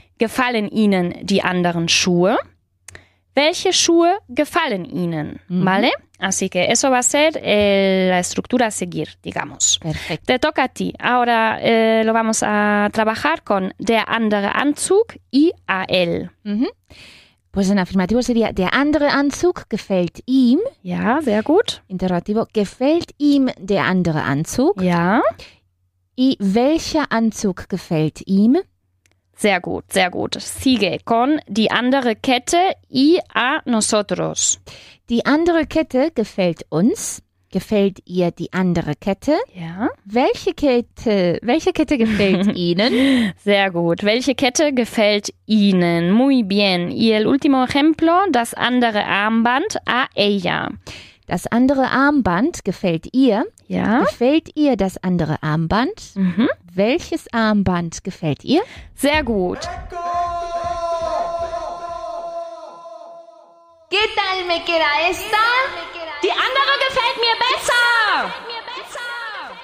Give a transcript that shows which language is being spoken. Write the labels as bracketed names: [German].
[German] Gefallen Ihnen die anderen Schuhe? Welche Schuhe gefallen Ihnen? Mhm. [Spanish] ¿Vale? Así que eso va a ser la estructura a seguir, digamos. Perfecto. Te toca a ti. Ahora lo vamos a trabajar con [German] der andere Anzug [Spanish] y a él. [German] Mhm. [Spanish] Pues en afirmativo sería [German] der andere Anzug gefällt ihm. Ja, sehr gut. Interrogativo gefällt ihm der andere Anzug. Ja. ¿Y welcher Anzug gefällt ihm? Sehr gut, sehr gut. [Spanish] Sigue con [German] die andere Kette [Spanish] y a nosotros. [German] Die andere Kette gefällt uns. Gefällt ihr die andere Kette? Ja. Welche Kette gefällt Ihnen? Sehr gut. Welche Kette gefällt Ihnen? [Spanish] Muy bien. Y el último ejemplo, [German] das andere Armband [Spanish] a ella. [German] Das andere Armband gefällt ihr? Ja. Gefällt ihr das andere Armband? Mhm. Welches Armband gefällt ihr? Sehr gut. [Spanish] ¿Qué tal me queda esta? [German] Die andere gefällt mir besser.